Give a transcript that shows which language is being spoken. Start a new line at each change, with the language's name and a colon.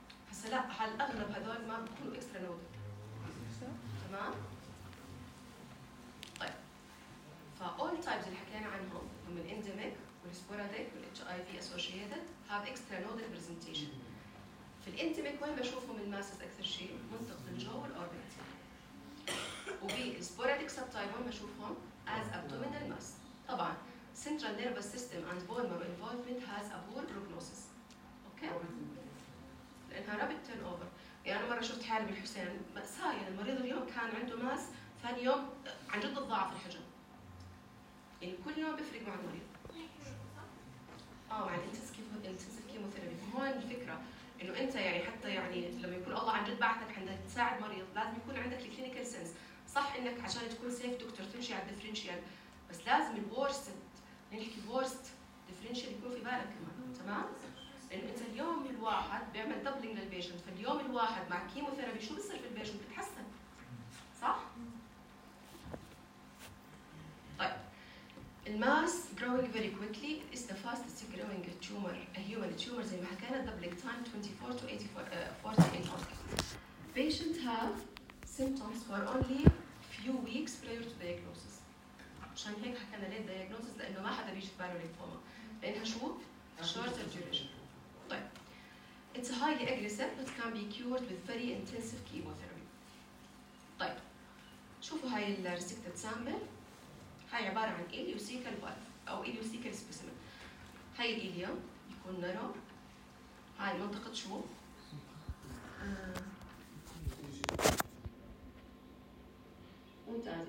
Arabic: هسه لا، هل اغلب هذول ما بيكونوا اكسترا نود؟ تمام؟ طيب فاول تايبز اللي حكينا عنهم هم الانديميك والسبوراديك والHIV associated
English: have extra nodal presentation.
Arabic: في الانتميك وين بشوفه من الماسس أكثر شيء؟ منطقة الجو والأوربيت. وفي السبوراديك سبتايب وين بشوفهم؟
English: as abdominal mass. طبعا central nervous system and bone marrow involvement has a poor prognosis.
Arabic: أوكي؟ لأنها rapid turnover. يعني أنا مرة شفت حالي بالحسين مأساة، يعني المريض اليوم كان عنده ماس، ثاني يوم عن جد الضعف الحجم. يعني كل يوم بفرق مع المريض. مع الانتنسيف كيموثيرابي. فهون الفكرة انه انت يعني حتى يعني لما يكون الله عن جد بعثك عندك تساعد مريض لازم يكون عندك الكلينيكال سنس. صح انك عشان تكون سيف دكتور تمشي على الدفرنشيال، بس لازم الورست، نحكي الورست دفرنشيال يكون في بالك كمان. تمام؟ لانه انت اليوم الواحد بيعمل دبلينج للبيشنت، فاليوم الواحد مع كيموثيرابي شو بصير في البيشنت؟ بتحسن، صح؟ الماس
English: growing very quickly is the fastest growing tumor. A human tumor زي ما حكينا doubling time 24 to 48 hours. Patient have symptoms for only few weeks prior to diagnosis.
Arabic: عشان هيك حكينا late diagnosis لأنه ما حدا بيجي في باله lymphoma. لأنها شو؟ shorter duration.
English: طيب it's highly aggressive but can be cured with very intensive chemotherapy.
Arabic: طيب شوفوا هاي ال resected sample. هاي عبارة عن إليوسيكال بالف أو إليوسيكال سبيسيمن. هاي الإليوم يكون نارو. هاي منطقة شو؟ ممتاز.